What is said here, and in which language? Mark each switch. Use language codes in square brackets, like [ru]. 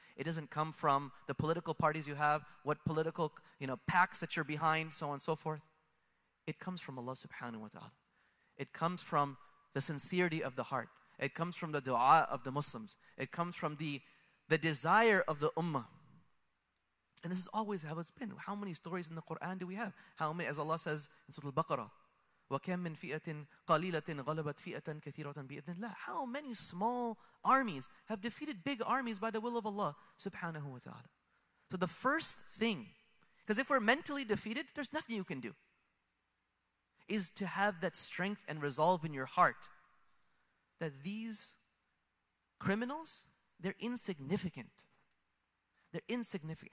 [en] It doesn't come from the political parties you have, what political, you know, packs that you're behind, so on and so forth. It comes from Allah [ar] subhanahu wa ta'ala. [en] It comes from the sincerity of the heart. It comes from the dua of the Muslims. It comes from the desire of the ummah. And this is always how it's been. How many stories in the Quran do we have? How many, as Allah says in Surah Al-Baqarah, [ar] وَكَمْ مِنْ فِئَةٍ قَلِيلَةٍ غَلَبَتْ فِئَةً كَثِيرَةً بِإِذْنِ اللَّهِ. [en] How many small armies have defeated big armies by the will of Allah [ar] subhanahu wa ta'ala. [en] So the first thing, because if we're mentally defeated, there's nothing you can do, is to have that strength and resolve in your heart that these criminals, they're insignificant. They're insignificant.